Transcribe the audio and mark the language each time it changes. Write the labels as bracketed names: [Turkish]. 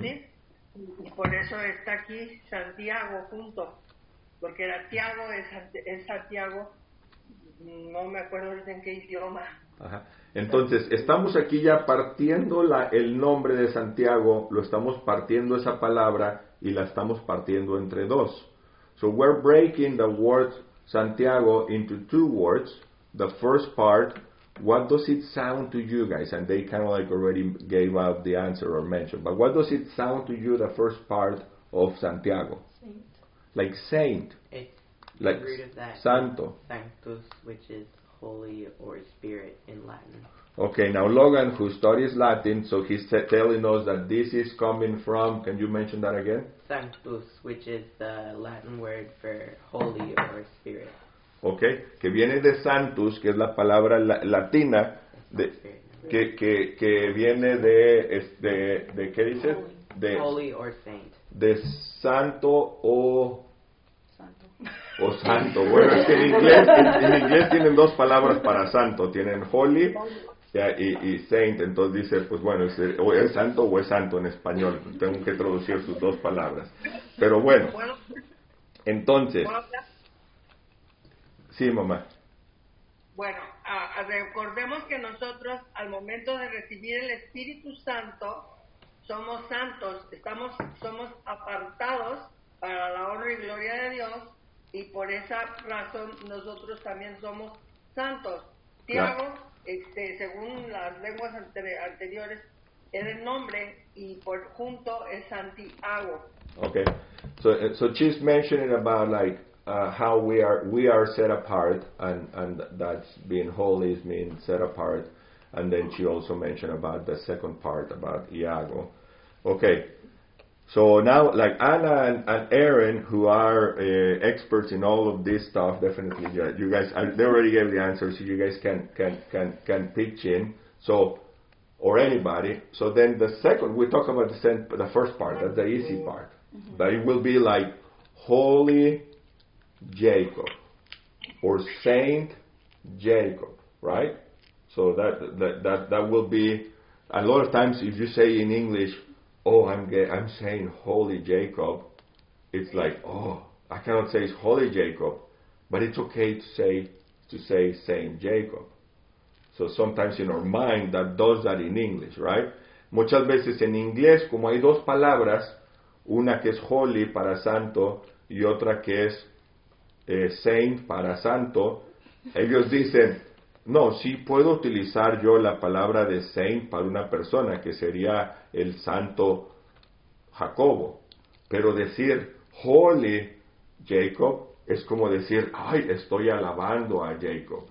[Spanish] ¿Sí? Y por eso está aquí Santiago junto, porque era Tiago, es Santiago, no me acuerdo en qué idioma. Ajá. Entonces, estamos aquí ya partiendo el nombre de Santiago, lo estamos partiendo esa palabra y la estamos partiendo entre dos. [English] So we're breaking the word Santiago into two words. The first part, what does it sound to you guys? And they kind of like already gave out the answer or mentioned. But what does it sound to you, the first part of Santiago? Saint. Like saint. It's like the root of that. [Spanish] Santo. [English] Sanctus, which is holy or spirit in Latin. Okay, now Logan, who studies Latin, so he's telling us that this is coming from, can you mention that again? Sanctus, which is the Latin word for holy or spirit. [Spanish] Okay, que viene de Santus, que es la palabra latina, que viene de ¿qué dice? De [English] holy or saint. [Spanish] De santo o... Santo. O santo. Bueno, es que en inglés tienen dos palabras para santo. Tienen holy y saint. Entonces dice, pues bueno, es santo o es santo en español. Tengo que traducir sus dos palabras. Pero bueno, entonces... Sí, mamá. Bueno, recordemos que nosotros, al momento de recibir el Espíritu Santo, somos santos, somos apartados para la honra y gloria de Dios, y por esa razón nosotros también somos santos. Tiago, según las lenguas anteriores, es el nombre, y por junto es Santiago. [English] Okay, so she's mentioning about like, how we are set apart and that's being holy is being set apart, and then she also mentioned about the second part about Iago. Okay, so now like Anna and Aaron, who are experts in all of this stuff, definitely you guys, they already gave the answer, so you guys can pitch in, so or anybody. So then the second, we talk about the first part, that's the easy part, that it will be like holy Jacob or Saint Jacob, right? So that will be, a lot of times if you say in English, oh, I'm saying holy Jacob, it's like, oh, I cannot say it's holy Jacob, but it's okay to say Saint Jacob. So sometimes in our mind that does that in English, right? [Spanish] Muchas veces en inglés, como hay dos palabras, una que es holy para santo y otra que es saint para santo, ellos dicen, no, sí puedo utilizar yo la palabra de saint para una persona, que sería el santo Jacobo, pero decir [English] holy Jacob [Spanish] es como decir, ay, estoy alabando a Jacob.